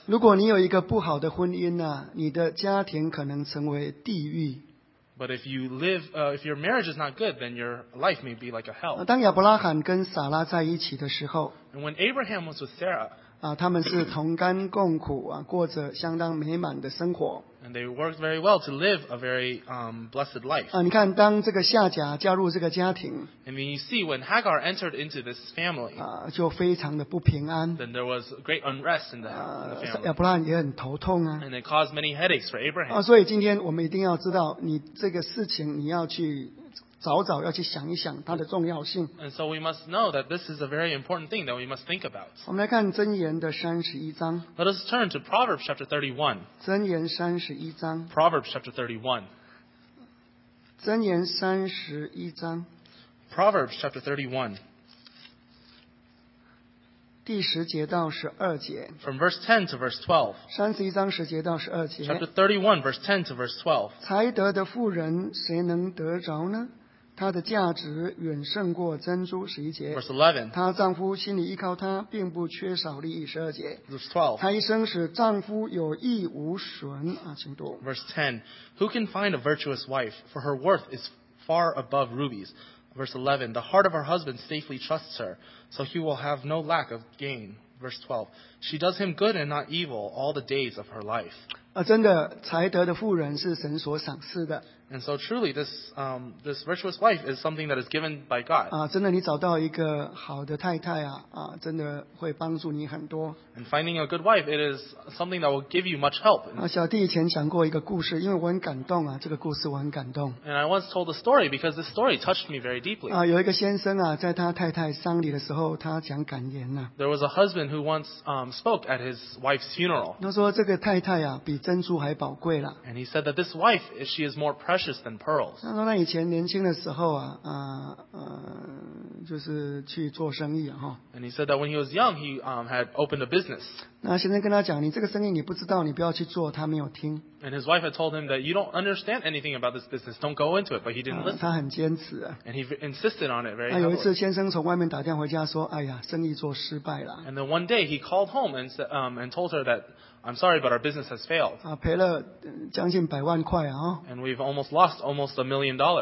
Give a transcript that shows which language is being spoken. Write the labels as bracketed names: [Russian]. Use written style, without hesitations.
[Chinese] 如果你有一个不好的婚姻你的家庭可能成为地狱。 [English] But if you live, if your marriage is not good, then your life may be like a hell. [Chinese] 当亚伯拉罕跟撒拉在一起的时候 [English] ，And when Abraham was with Sarah, [Chinese] 他们是同甘共苦过着相当美满的生活。 [English] And they worked very well to live a very blessed life. [Chinese] 你看，当这个夏甲加入这个家庭 [English] ，And then you see when Hagar entered into this family, [Chinese] 就非常的不平安。 [English] Then there was great unrest in the family. [Chinese] 亚伯拉罕也很头痛啊。 [English] And it caused many headaches for Abraham. [Chinese] 所以今天我们一定要知道，你这个事情你要去早早要去想一想它的重要性。 [English] And so we must know that this is a very important thing that we must think about. [Chinese] 我们来看箴言的三十一章。 [English] Let us turn to Proverbs chapter 31. [Chinese] 箴言三十一章。 [English] Proverbs chapter 31. [Chinese] 箴言三十一章。 [English] Proverbs chapter 31. [Chinese] 第十节到十二节。 [English] From verse 10 to verse 12. [Chinese] 三十一章十节到十二节。 [English] Chapter 31, verse 10 to verse 12. [Chinese] 才德的妇人谁能得着呢？她的价值远胜过珍珠。十一节。 [English] Verse 11. [Chinese] 她丈夫心里依靠她，并不缺少利益。十二节。 [English] Verse 12. [Chinese] 她一生使丈夫有益无损。请读。 [English] Verse 10. Who can find a virtuous wife? For her worth is far above rubies. Verse 11. The heart of her husband safely trusts her, so he will have no lack of gain. Verse 12. She does him good and not evil all the days of her life. [Chinese] 真的才德的妇人是神所赏赐的。 [English] And so truly, this this virtuous wife is something that is given by God. [Chinese] 啊，真的，你找到一个好的太太啊，啊，真的会帮助你很多。 [English] And finding a good wife, it is something that will give you much help. [Chinese] 啊，小弟以前讲过一个故事，因为我很感动啊，这个故事我很感动。 [English] And I once told a story because this story touched me very deeply. [Chinese] 啊，有一个先生啊，在他太太丧礼的时候，他讲感言呐。 [English] There was a husband who once spoke at his wife's funeral. [Chinese] 他说这个太太啊，比珍珠还宝贵啦。 [English] And he said that this wife, she is more precious. Than pearls. [Chinese] 那以前年轻的时候啊，就是去做生意啊。 [English] And he said that when he was young, he had opened a business. [Chinese] 那先生跟他讲，你这个生意你不知道，你不要去做，他没有听。 [English] And his wife had told him that you don't understand anything about this business, don't go into it, but he didn't listen. [Chinese] 他很坚持啊。 [English] And he insisted on it very [Chinese] heavily. 有一次先生从外面打电话回家说，哎呀，生意做失败了。 [English] And then one day he called home and said, and told her that. I'm sorry, but our business has failed. [Chinese] 啊，赔了将近百万块啊。 [English] And we've almost lost almost $1 million.